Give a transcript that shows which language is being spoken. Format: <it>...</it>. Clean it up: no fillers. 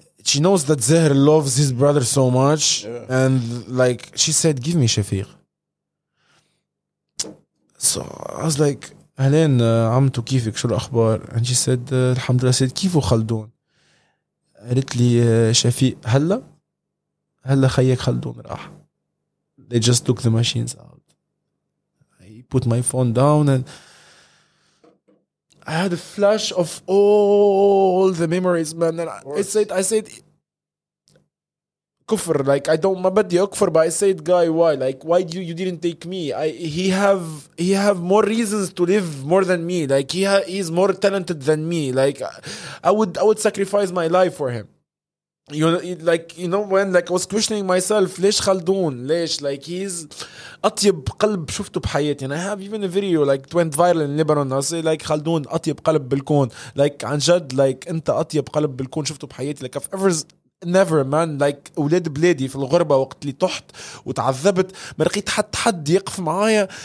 <en>She knows that Zahir loves his brother so much, yeah. And like she said, "Give me Shafiq." So I was like,</en> <ar>أهلين عمتو كيفك شو الأخبار؟</ar> <en>And she said</en> <ar>الحمد لله.</ar> <en>I said</en> <ar>كيفو خلدون؟ قالت لي شفيق هلا خيك خلدون راح.</ar> <en>They just took the machines out. I put my phone down and I had a flash of all the memories, man. And I said كفر, like, I don't,</en> <ar>ما بدي أكفر,</ar> <en>but I said, guy, why? Like, why you didn't take me? He have more reasons to live more than me. Like, he's more talented than me. Like, I would sacrifice my life for him. You know, like, you know, when, like, I was questioning myself, ليش خلدون?</en> <ar>ليش?</ar> <en>Like, he's</en> <ar>أطيب قلب شفته بحياتي.</ar> <en>And I have even a video, like, it went viral in Lebanon. I say, like,</en> <ar>خلدون أطيب قلب بالكون. Like, عن جد, like, أنت أطيب قلب بالكون شفته بحياتي.</ar> <en>Like, I've ever... Never, man.</en> <ar>Like, أولاد بلادي في الغربة وقت اللي طحت وتعذبت ما رقيت حد يقف معايا.</ar>